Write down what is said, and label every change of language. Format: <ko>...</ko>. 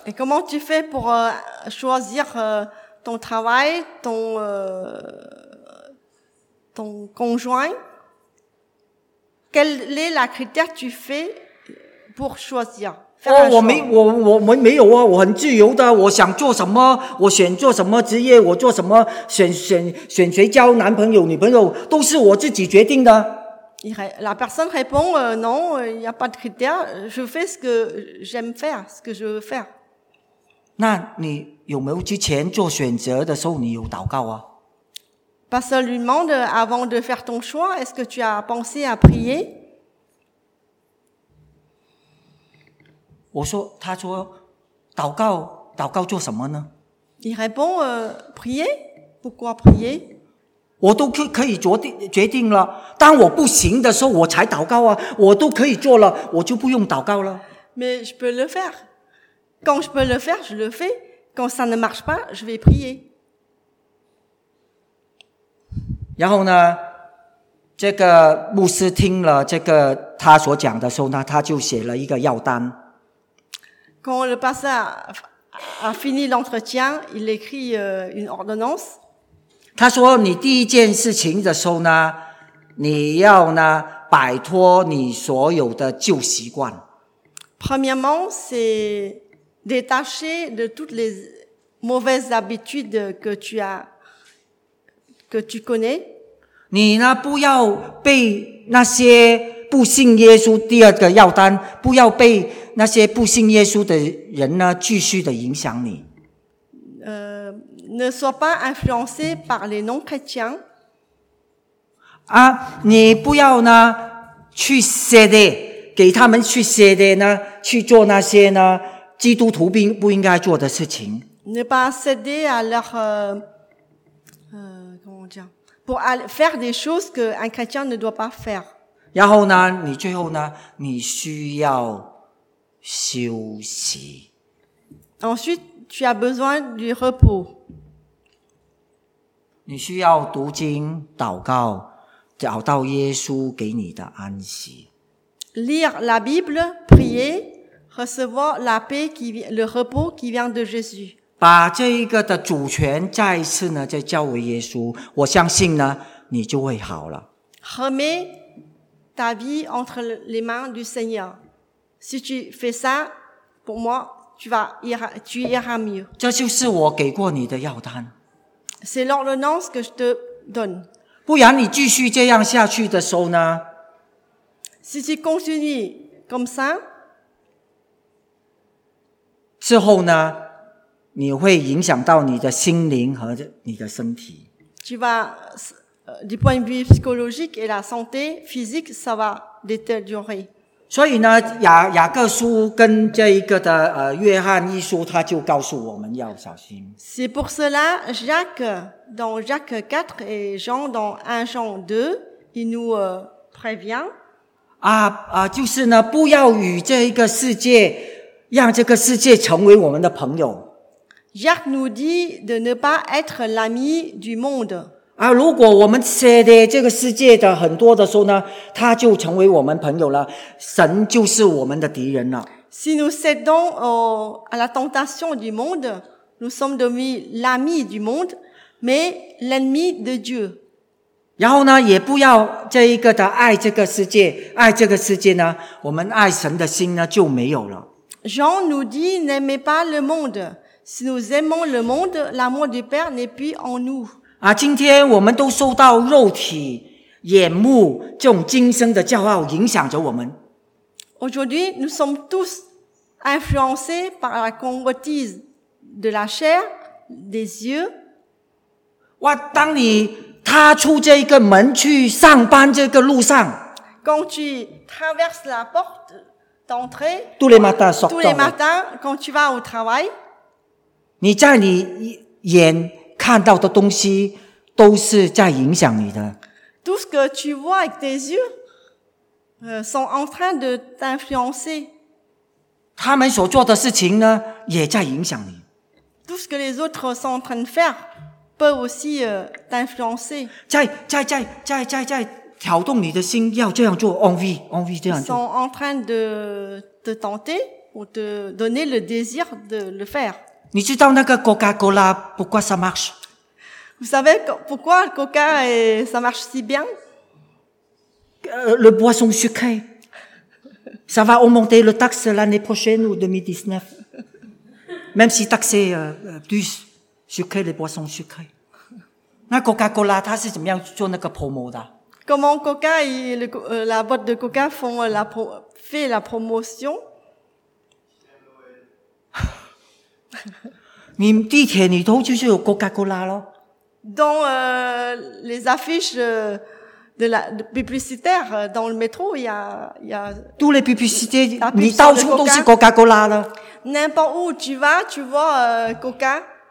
<fr>？Et comment tu fais pour choisir ton travail, ton conjoint? Quel est la critère tu fais pour choisir?</fr> <zh>我没有啊，我很自由的，我想做什么，我选做什么职业，我做什么，选谁交男朋友、女朋友，都是我自己决定的。</zh> <fr>La personne répond, non, il n'y a pas de critère, je fais ce que j'aime faire, ce que je veux faire.</fr> <zh>那你有没有之前做选择的时候，你有祷告啊</zh> <fr>？Parce qu'il lui demande avant de faire ton choix, est-ce que tu as pensé à prier?</fr> <zh>我说，他说，祷告，祷告做什么呢</zh> <fr>？Il répond, prier. Pourquoi prier？</fr> <zh>我都可以决定了。当我不行的时候，我才祷告啊。我都可以做了，我就不用祷告了。</zh> <fr>Mais je peux le faire. Quand je peux le faire, je le fais. Quand ça ne marche pas, je vais prier.</fr> <zh>然后呢？这个牧师听了这个他所讲的时候呢，他就写了一个药单。</zh> <fr>Quand le pasteur a fini l'entretien, il écrit une ordonnance.</fr> <zh>他说你第一件事情的时候呢，你要呢摆脱你所有的旧习惯。</zh> <fr>Premièrement, c'est détacher de toutes les mauvaises habitudes que tu connais.</fr> <zh>你呢不要被那些不信耶稣第二个药单，不要被那些不信耶稣的人呢，继续的影响你。</zh> <fr>Ne sois pas influencé par les non-chrétiens.</fr> <zh>啊，你不要呢去亵渎，给他们去亵渎呢，去做那些呢基督徒不应该做的事情。</zh> <fr>Ne pas céder à leur, comment dire, pour faire des choses qu'un chrétien ne doit pas faire.</fr> <zh>然后呢，你最后呢，你需要。休息。</zh> <fr>Ensuite, tu as besoin du repos.</fr> <zh>你需要读经、祷告，找到耶稣给你的安息。</zh> <fr>Lire la Bible, prier, recevoir la paix qui vient, le repos qui vient de Jésus.</fr> <zh>把这一个的主权再次呢，再交给耶稣，我相信呢，你就会好了。</zh> <fr>Remets ta vie entre les mains du Seigneur. Si tu fais ça, pour moi, tu iras mieux.</fr> <zh>这就是我给过你的药单。</zh> <fr>C'est l'ordonnance que je te donne.</fr> <zh>不然你继续这样下去的时候呢?</zh> <fr>Si tu continues comme ça,</fr> <zh>之后呢? 你会影响到你的心灵和你的身体。</zh> <fr>Tu vas, du point de vue psychologique et la santé physique, ça va détériorer.</fr> <zh>所以呢雅各书跟这一个的约翰一书他就告诉我们要小心。</zh> <fr>C'est pour cela, Jacques, dans Jacques 4 et Jean dans 1 Jean 2, il nous prévient.</fr> <zh>就是呢不要与这一个世界让这个世界成为我们的朋友。</zh> <fr>Jacques nous dit de ne pas être l'ami du monde.</fr> <zh>如果我们亵渎这个世界的很多的时候呢，他就成为我们朋友了，神就是我们的敌人了。</zh> <fr>Si nous cédons à la tentation du monde, nous sommes devenus l'ami du monde, mais l'ennemi de Dieu.</fr> <zh>然后呢，也不要这一个的爱这个世界，爱这个世界呢，我们爱神的心呢就没有了。</zh> <fr>Jean nous dit n'aimez pas le monde. Si nous aimons le monde, l'amour du Père n'est plus en nous.</fr> <zh>今天我们都受到肉体、眼目这种今生的骄傲影响着我们。</zh> <fr>Aujourd'hui, nous sommes tous influencés par la convoitise de la chair, des yeux.</fr> <zh>哇，当你踏出这个门去上班这个路上。</zh> <fr>Quand tu traverses la porte d'entrée. Tous les matins, sortant. Tous les matins, quand tu vas au travail.</fr> <zh>你在你眼看到的东西都是在影响你的。</zh> <fr>Tout ce que tu vois avec tes yeux, sont en train de t'influencer.</fr> <zh>他们所做的事情呢也在影响你。</zh> <fr>Tout ce que les autres sont en train de faire peut aussi t'influencer.</fr> <zh>在挑动你的心要这样做 envie 这样做。</zh> <fr>Sont en train de te tenter ou te donner le désir de le faire.</fr> <zh>你知道那个 Coca-Cola 不过</zh> <fr>ça marche? Vous savez pourquoi Coca et ça marche si bien? Le boisson sucré. Ça va augmenter le taxe l'année prochaine ou 2019. Même si taxé plus sucré les boissons sucrées.</fr> <zh>那 Coca-Cola, 它是怎么样做那个 promo 的?</zh> <fr>Comment Coca et la boîte de Coca font la promotion?</fr> <zh>你地铁里头就是有 Coca-Cola 咯。</zh> <fr>Dans les affiches de la publicitaire dans le métro, il y a. Tous les publicités,</fr> <zh>你到处都是 Coca-Cola 的。</zh> <fr>N'importe où tu vas, tu vois Coca.</fr>